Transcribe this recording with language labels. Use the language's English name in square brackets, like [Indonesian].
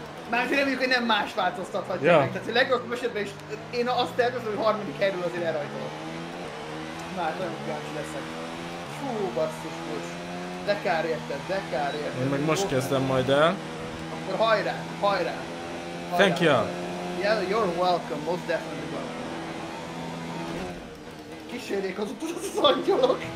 [Hungarian] Mert reméljük, hogy nem más változtathatja meg. Tehát legrosszabb esetben is én azt tervezem, hogy 3. helyről azért elrajtolok. Már nagyon kíváncsi leszek. Fú, basszus most. De kár érted, de kár érted. Én meg most kezdem majd el. Akkor hajrá. [English] Thank you. Yeah, you're welcome, most definitely welcome. [Hungarian] Kísérjék az utolsó szangyolok.